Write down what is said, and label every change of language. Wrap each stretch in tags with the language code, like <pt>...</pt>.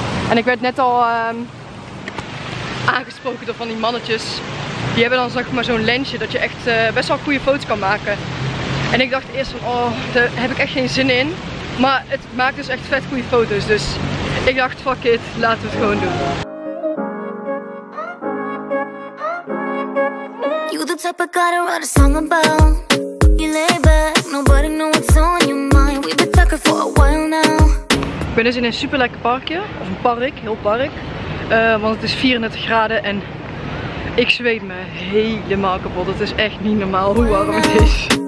<nl>En ik werd net al aangesproken door van die mannetjes. Die hebben dan zeg maar zo'n lensje dat je echt best wel goede foto's kan maken. En ik dacht eerst van, oh, daar heb ik echt geen zin in. Maar het maakt dus echt vet goede foto's, dus ik dacht, fuck it, laten we het gewoon doen.</nl> <en>You the type of guy to write a song about. You lay back, nobody knows what's on your mind. We've been talking for a while now.</en> <nl>Ik ben dus in een super lekker parkje, of een park, heel park. Want het is 34 graden en ik zweet me helemaal kapot. Het is echt niet normaal hoe warm het is.</nl>